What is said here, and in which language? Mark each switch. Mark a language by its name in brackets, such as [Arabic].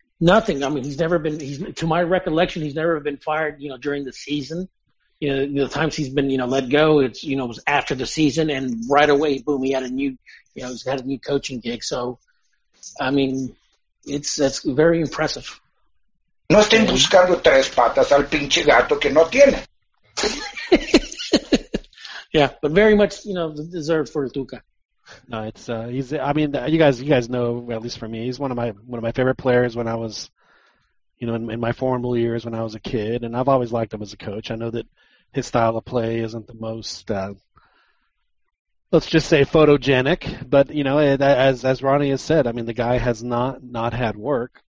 [English] Nothing. I mean, he's never been. To my recollection, he's never been fired. You know, during the season, you know, the times he's been, you know, let go, it's, you know, it was after the season, and right away, boom, he had a new, you know, he's had a new coaching gig. So, I mean, that's very impressive. [Spanish] No estén buscando tres patas al pinche gato que no tiene. [English] Yeah, but very much, you know, deserved for Tuca. No, he's. I mean, you guys know, at least for me, he's one of my favorite players when I was, you know, in my formal years when I was a kid, and I've always liked him as a coach. I know that his style of play isn't the most, let's just say, photogenic, but you know, as Ronnie has said, I mean, the guy has not had work.